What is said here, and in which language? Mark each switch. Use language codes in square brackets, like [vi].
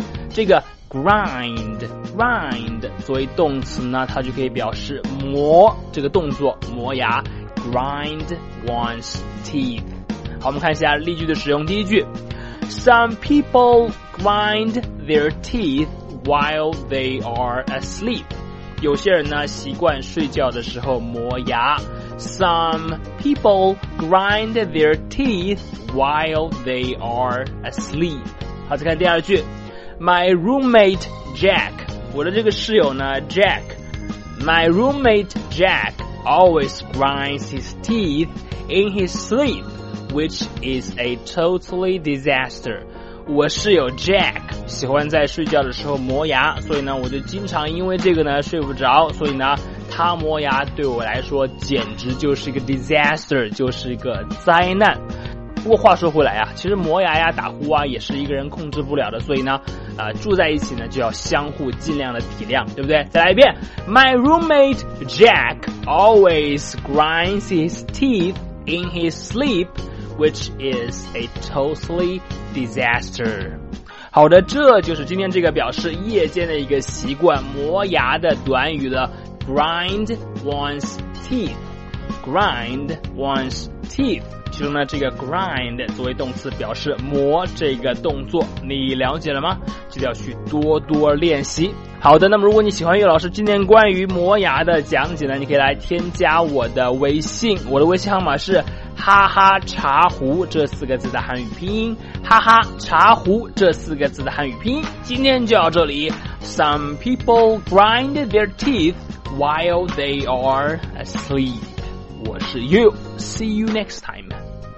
[zh] 这个 grind 作为动词呢，它就可以表示磨，这个动作磨牙， grind one's teeth。好，我们看一下例句的使用。第一句， Some people grind their teeth while they are asleep，有些人呢习惯睡觉的时候磨牙。 [en] Some people grind their teeth while they are asleep。好，再看第二句， My roommate Jack，我的这个室友呢 Jack， My roommate Jack always grinds his teeth in his sleep which is a totally disaster。 [zh] 我室友 Jack 喜欢在睡觉的时候磨牙，所以呢我就经常因为这个呢睡不着，所以呢他磨牙对我来说简直就是一个 disaster， 就是一个灾难。不过话说回来啊，其实磨牙呀打呼啊也是一个人控制不了的，所以呢住在一起呢就要相互尽量的体谅，对不对？ [en] 再来一遍， My roommate Jack always grinds his teeth in his sleep which is a totally disaster。 [zh] 好的，这就是今天这个表示夜间的一个习惯磨牙的短语的 grind one's teeth， grind one's teeth。其中呢这个 grind 作为动词表示磨，这个动作你了解了吗？记得要去多多练习。好的，那么如果你喜欢岳老师今天关于磨牙的讲解呢，你可以来添加我的微信，我的微信号码是哈哈茶壶这四个字的汉语拼音，哈哈茶壶这四个字的汉语拼音。 [en] 今天就到这里， Some people grind their teeth while they are asleep。我是 You， See you next time。